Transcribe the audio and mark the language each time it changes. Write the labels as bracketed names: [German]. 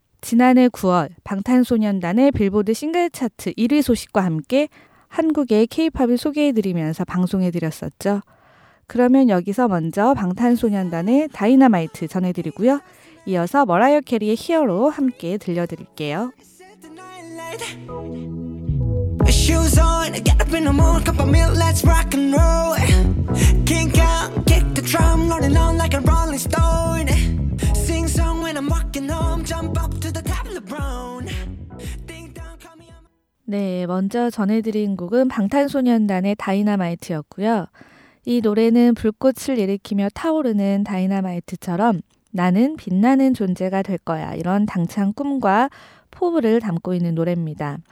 [Korean] 지난해 9월 방탄소년단의 빌보드 싱글 차트 1위 소식과 함께 한국의 K-POP을 소개해드리면서 방송해드렸었죠. 그러면 여기서 먼저 방탄소년단의 다이너마이트 전해드리고요. 이어서 머라이어 캐리의 히어로 함께 들려드릴게요. [English] Shoes on, get up in the morning, cup of milk, let's rock and roll. King Kong, kick the drum, rolling on like a rolling stone. Sing song when I'm walking home, jump up to the top of the brown. [Korean] 네, 먼저 전해드린 곡은 방탄소년단의 다이너마이트였고요. 이 노래는 불꽃을 일으키며 타오르는 다이너마이트처럼 나는 빛나는 존재가 될 거야 이런 당찬 꿈과 포부를 담고 있는 노래입니다.